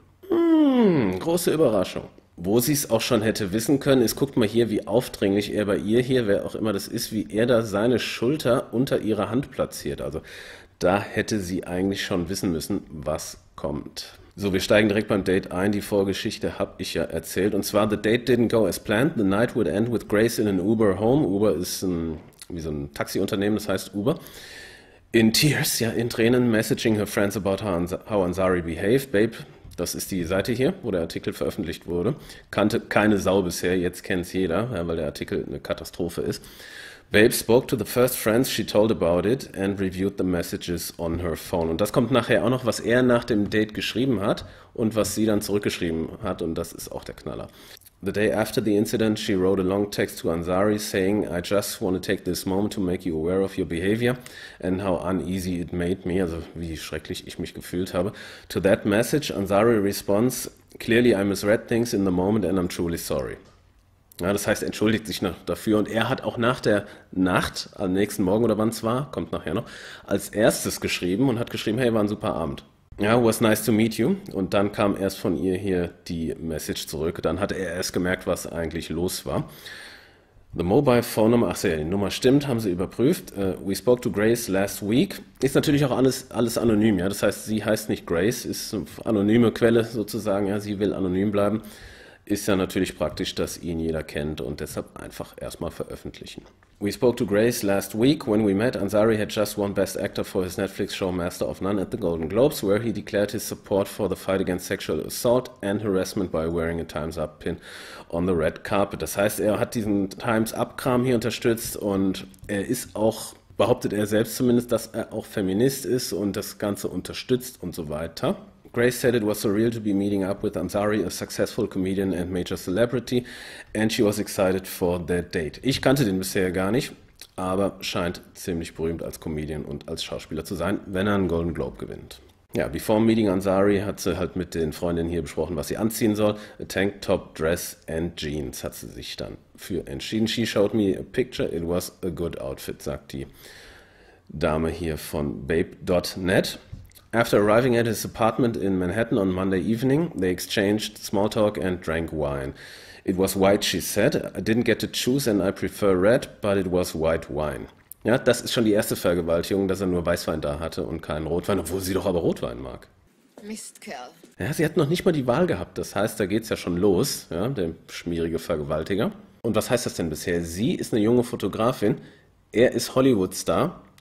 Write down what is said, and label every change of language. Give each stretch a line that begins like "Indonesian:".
German: Große Überraschung. Wo sie es auch schon hätte wissen können, ist, guckt mal hier, wie aufdringlich er bei ihr hier, wer auch immer das ist, wie er da seine Schulter unter ihrer Hand platziert. Also da hätte sie eigentlich schon wissen müssen, was kommt. So, wir steigen direkt beim Date ein. Die Vorgeschichte habe ich ja erzählt. Und zwar,
English: the date didn't go as planned. The night would end with Grace in an Uber home.
German: Uber ist wie so ein Taxiunternehmen, das heißt Uber.
English: In tears,
German: ja, in Tränen,
English: messaging her friends about how Ansari behaved, babe.
German: Das ist die Seite hier, wo der Artikel veröffentlicht wurde. Kannte keine Sau bisher, jetzt kennt es jeder, ja, weil der Artikel eine Katastrophe ist.
English: Babe spoke to the first friends she told about it and reviewed the messages on her phone.
German: Und das kommt nachher auch noch, was er nach dem Date geschrieben hat und was sie dann zurückgeschrieben hat. Und das ist auch der Knaller.
English: The day after the incident, she wrote a long text to Ansari saying, I just want to take this moment to make you aware of your behavior and how uneasy it made me,
German: also wie schrecklich ich mich gefühlt habe.
English: To that message, Ansari responds, clearly I misread things in the moment and I'm truly sorry.
German: Ja, das heißt, entschuldigt sich noch dafür und er hat auch nach der Nacht, am nächsten Morgen oder wann es war, kommt nachher noch, als erstes geschrieben und hat geschrieben, hey, war ein super Abend. Ja,
English: was nice to meet you.
German: Und dann kam erst von ihr hier die Message zurück. Dann hat er erst gemerkt, was eigentlich los war.
English: The mobile phone number,
German: ach so, ja, die Nummer stimmt, haben sie überprüft.
English: We spoke to Grace last week.
German: Ist natürlich auch alles anonym, ja. Das heißt, sie heißt nicht Grace, ist eine anonyme Quelle sozusagen. Ja, sie will anonym bleiben. Ist ja natürlich praktisch, dass ihn jeder kennt und deshalb einfach erstmal veröffentlichen.
English: We spoke to Grace last week when we met. Ansari had just won Best Actor for his Netflix show Master of None at the Golden Globes, where he declared his support for the fight against sexual assault and harassment by wearing a Time's Up Pin on the red carpet.
German: Das heißt, er hat diesen Time's Up-Kram hier unterstützt und er ist auch, behauptet er selbst zumindest, dass er auch Feminist ist und das Ganze unterstützt und so weiter.
English: Grace said it was surreal to be meeting up with Ansari, a successful comedian and major celebrity, and she was excited for that date.
German: Ich kannte den bisher gar nicht, aber scheint ziemlich berühmt als Comedian und als Schauspieler zu sein, wenn er einen Golden Globe gewinnt. Ja,
English: before meeting Ansari
German: hat sie halt mit den Freundinnen hier besprochen, was sie anziehen soll.
English: A tank top, dress and jeans
German: hat sie sich dann für entschieden.
English: She showed me a picture, it was a good outfit,
German: sagt die Dame hier von babe.net.
English: After arriving at his apartment in Manhattan on Monday evening, they exchanged small talk and drank wine. It was white, she said. I didn't get to choose and I prefer red, but it was white wine.
German: Ja, das ist schon die erste Vergewaltigung, dass er nur Weißwein da hatte und keinen Rotwein, obwohl sie doch aber Rotwein mag. Mist, Kerl. Ja, sie hat noch nicht mal die Wahl gehabt. Das heißt, da geht's ja schon los, ja, der schmierige Vergewaltiger. Und was heißt das denn bisher? Sie ist eine junge Fotografin, er ist Hollywood-Star.